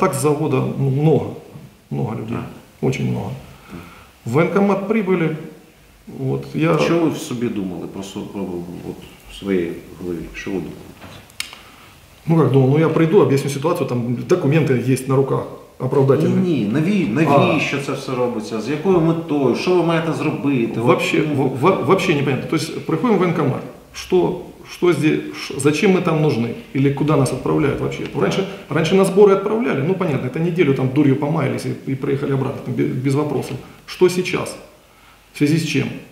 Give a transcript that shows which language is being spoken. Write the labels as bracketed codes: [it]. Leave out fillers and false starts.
[ru] А так с завода много людей, очень много. В военкомат прибыли, вот я... Что вы в себе думали, просто вот в своей голове, что вы думали? Ну как думал, ну я прийду, объясню ситуацию, там документы есть на руках, оправдательные. [uk] Ні, навіщо це все робиться, з якою метою, що ви маєте зробити? [ru] Вообще непонятно, то есть приходим в военкомат, что здесь, зачем мы там нужны, или куда нас отправляют вообще? Раньше на сборы отправляли, ну понятно, это неделю там дурью помаялись и проехали обратно, там, без вопросов. Что сейчас? В связи с чем?